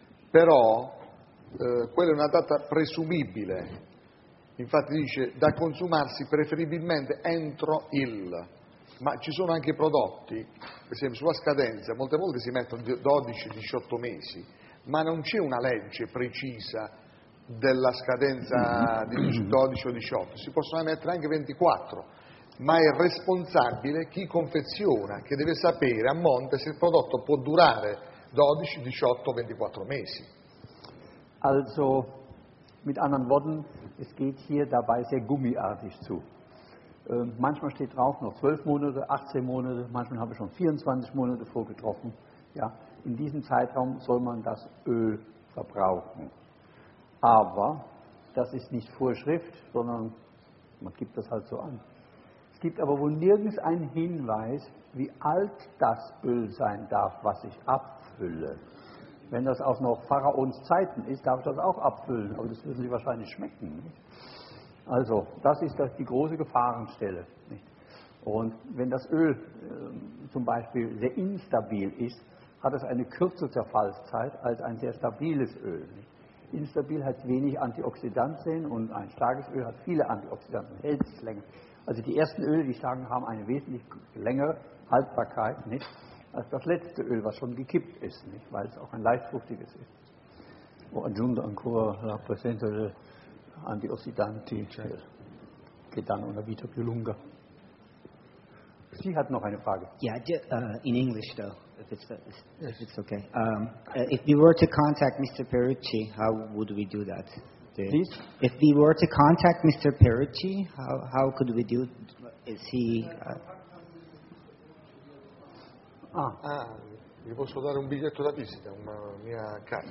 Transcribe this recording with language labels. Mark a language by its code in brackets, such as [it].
[it] Però quella è una data presumibile, infatti dice da consumarsi preferibilmente entro il, ma ci sono anche prodotti, per esempio sulla scadenza, molte volte si mettono 12-18 mesi, ma non c'è una legge precisa della scadenza di 12 o 18, si possono mettere anche 24, ma è responsabile chi confeziona, che deve sapere a monte se il prodotto può durare 12-18-24 mesi. [de] Also, mit anderen Worten, es geht hier dabei sehr gummiartig zu. Manchmal steht drauf noch 12 Monate, 18 Monate, manchmal habe ich schon 24 Monate vorgetroffen. Ja, in diesem Zeitraum soll man das Öl verbrauchen. Aber das ist nicht Vorschrift, sondern man gibt das halt so an. Es gibt aber wohl nirgends einen Hinweis, wie alt das Öl sein darf, was ich abfülle. Wenn das auch noch Pharaons Zeiten ist, darf ich das auch abfüllen. Aber das müssen Sie wahrscheinlich schmecken. Nicht? Also, das ist die große Gefahrenstelle. Nicht? Und wenn das Öl zum Beispiel sehr instabil ist, hat es eine kürzere Zerfallszeit als ein sehr stabiles Öl. Nicht? Instabil hat wenig Antioxidantien und ein starkes Öl hat viele Antioxidantien, hält sich länger. Also die ersten Öle, die starken, haben eine wesentlich längere Haltbarkeit, nicht? Als das letzte Öl, was schon gekippt ist, nicht? Weil es auch ein leichtfruchtiges ist. [it] O aggiunto ancora la presenza di antiossidanti, cioè, che danno una vita più lunga. [de] Sie hat noch eine Frage. [en] Yeah, in English though, if it's okay. If we were to contact Mr. Perucci, how would we do that? Please? If we were to contact Mr. Perucci, how could we do, is he... [it] Ah, gli posso dare un biglietto da visita, una mia carta.